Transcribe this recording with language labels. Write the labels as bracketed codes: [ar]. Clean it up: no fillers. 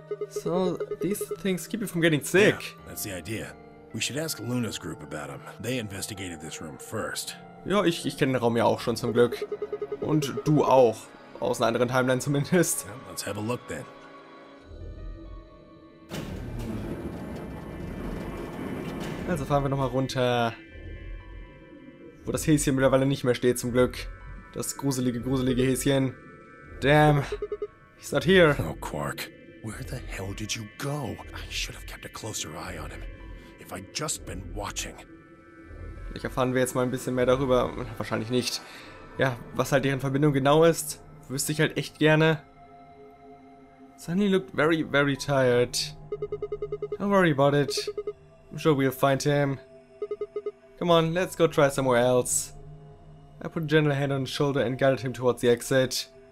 [en] So, these things keep you from getting sick. Yeah, that's the idea. We should ask Luna's group about them. They investigated this room first. [de] Ja, ich kenne den Raum ja auch schon, zum Glück. Und du auch, aus einer anderen Timeline zumindest. [en] Well, let's have a look then. [de] Also fahren wir nochmal runter, wo das Häschen mittlerweile nicht mehr steht, zum Glück. Das gruselige, gruselige Häschen. [en] Damn, he's not here. Oh, Quark, where the hell did you go? I should have kept a closer eye on him, if I'd just been watching. [de] Vielleicht erfahren wir jetzt mal ein bisschen mehr darüber, wahrscheinlich nicht. Ja, was halt deren Verbindung genau ist, wüsste ich halt echt gerne. [en] Sunny looked very, very tired. Don't worry about it. I'm sure we'll find him. Come on, let's go try somewhere else. I put a gentle hand on his shoulder and guided him towards the exit.